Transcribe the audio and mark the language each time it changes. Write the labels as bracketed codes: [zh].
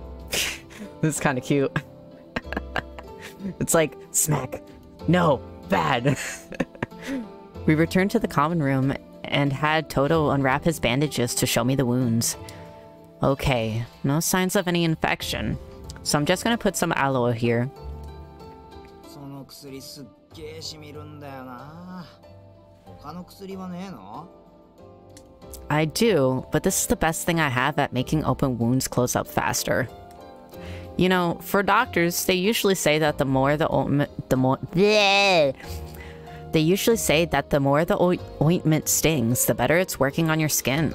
[en] This is kind of cute. It's like, smack. No, bad. We returned to the common room and had Toto unwrap his bandages to show me the wounds. Okay, no signs of any infection. So I'm just gonna put some aloe here. [ja] 薬すっげー染みるんだよな。他の薬はねえの? [en] I do, but this is the best thing I have at making open wounds close up faster. You know, for doctors, they usually say that the more the ointment stings, the better it's working on your skin.